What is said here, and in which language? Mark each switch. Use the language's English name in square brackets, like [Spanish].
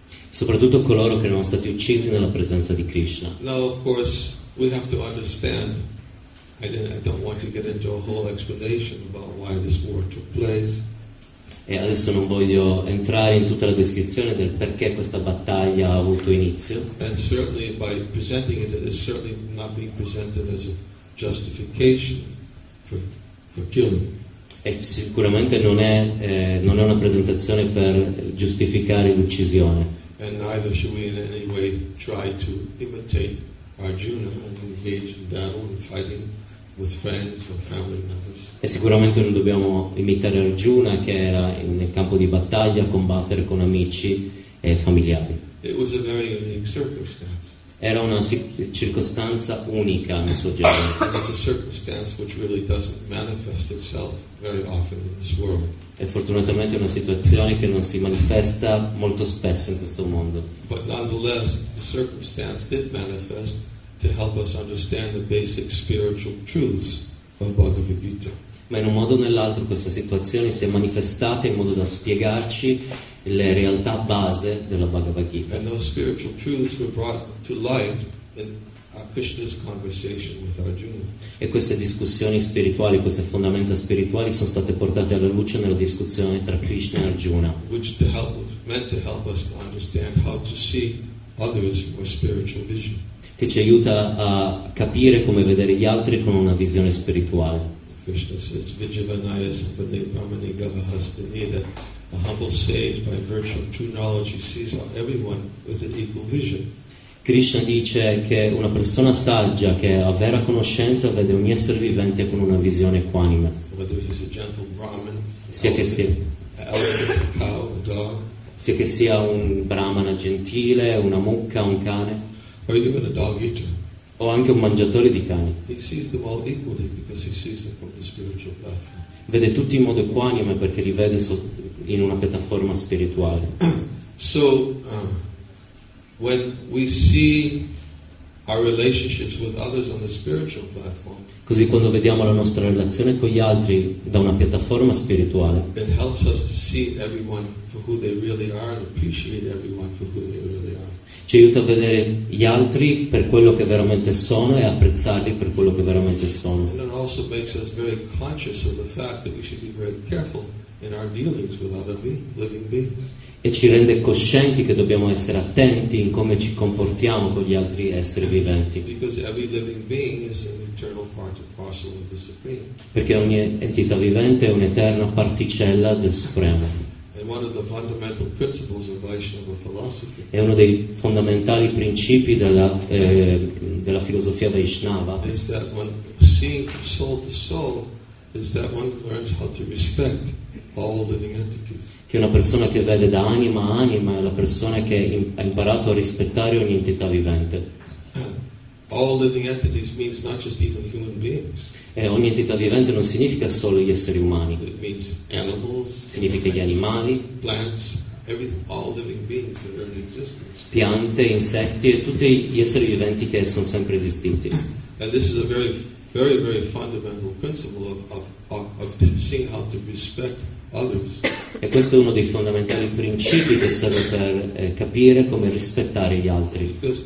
[Italian] Soprattutto coloro che erano stati uccisi nella presenza di Krishna. [English] Now, of course, we have to understand. I don't want to get into a whole explanation about why this war took place. [Italian] E adesso non voglio entrare in tutta la descrizione del perché questa battaglia ha avuto inizio. [English] And certainly by presenting it, it is certainly not being presented as a justification for killing. [Italian] E sicuramente non è una presentazione per giustificare l'uccisione. [English] And neither should we in any way try to imitate Arjuna and engage in battle and fighting with friends or family members. [Italian] E sicuramente non dobbiamo imitare Arjuna che era nel campo di battaglia a combattere con amici e familiari. [English] It was a very unique circumstance. [Italian] Era una circostanza unica nel suo genere. [English] It's a circumstance which really doesn't manifest itself very often in this world. [Italian] È fortunatamente una situazione che non si manifesta molto spesso in questo mondo. [English] But nonetheless, the circumstance did manifest to help us understand the basic spiritual truths of Bhagavad Gita. [Italian] Ma in un modo o nell'altro questa situazione si è manifestata in modo da spiegarci le realtà base della Bhagavad Gita. [English] And those spiritual truths were brought to light in Krishna's conversation with Arjuna. [Italian] E queste discussioni spirituali, queste fondamenta spirituali sono state portate alla luce nella discussione tra Krishna e Arjuna. [English] Which to help, meant to help us to understand how to see others with spiritual vision. [Italian] Che ci aiuta a capire come vedere gli altri con una visione spirituale. [English] Krishna says, Vijayavanaya Sampadevamani Gavahastanida, a humble sage, by virtue of true knowledge, he sees everyone with an equal vision. [Italian] Krishna dice che una persona saggia che ha vera conoscenza vede ogni essere vivente con una visione equanime. [English] Whether he's a gentle Brahman, [Italian] sia che sia [English] cow, a dog, [Italian] sia che sia un Brahmana gentile, una mucca, un cane. [English] Or even a dog eater. [Italian] O anche un mangiatore di cani. [English] He sees them all equally because he sees them from the spiritual platform. [Italian] Vede tutti in modo equanime perché li vede in una piattaforma spirituale. [English] So when we see our relationships with others on the spiritual platform. [Italian] Così quando vediamo la nostra relazione con gli altri da una piattaforma spirituale. [English] It helps us to see everyone for who they really are and appreciate everyone for who they really are. [Italian] Ci aiuta a vedere gli altri per quello che veramente sono e apprezzarli per quello che veramente sono. [English] And it also makes us very conscious of the fact that we should be very careful in our dealings with other living beings. [Italian] E ci rende coscienti che dobbiamo essere attenti in come ci comportiamo con gli altri esseri viventi. [English] Because every living being is an eternal part of parcel of the Supreme. [Italian] Perché ogni entità vivente è un'eterna particella del Supremo. [English] And one of the fundamental principles of Vaishnava philosophy. [Italian] È uno dei fondamentali principi della filosofia Vaishnava. [English] Is that one seeing from soul to soul is that one learns how to respect all living entities. [Italian] Che una persona che vede da anima a anima è la persona che ha imparato a rispettare ogni entità vivente. [English] All living entities means not just even human beings. [Italian] E ogni entità vivente non significa solo gli esseri umani. [English] It means animals, [Italian] significa gli animali, [English] plants, everything, all living beings in their existence. [Italian] Piante, insetti e tutti gli esseri viventi che sono sempre esistiti. [English] And this is a very, very, very fundamental principle of seeing how to respect others. [Italian] E questo è uno dei fondamentali principi che serve per capire come rispettare gli altri.